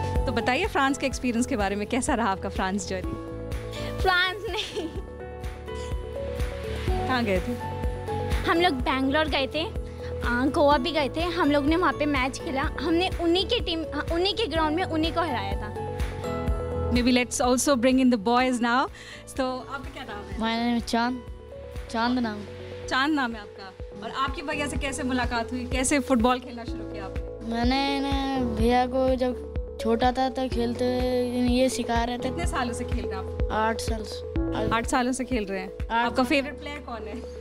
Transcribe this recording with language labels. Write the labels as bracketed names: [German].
[Hindi] तो बताइए फ्रांस के एक्सपीरियंस के बारे में, कैसा रहा आपका फ्रांस जर्नी? फ्रांस नहीं, कहाँ गए थे हम लोग? बैंगलोर गए थे, गोवा भी गए थे. हम लोग ने वहाँ पे मैच खेला, हमने उन्हीं की टीम, उन्हीं के ग्राउंड में उन्हीं को हराया था. [English] Maybe let's also bring in the boys now. [Hindi] So, आपका क्या नाम है? [English] My name is Chand. [Hindi] चांद नाम. चांद नाम है आपका. और आपकी भैया से कैसे मुलाकात हुई, कैसे फुटबॉल खेलना शुरू किया आपने? मैंने भैया को जब छोटा था तो खेलते ये सिखा रहे थे. कितने सालों से खेल रहे हैं आप? 8 साल. 8 सालों से खेल रहे हैं. आपका फेवरेट प्लेयर कौन है?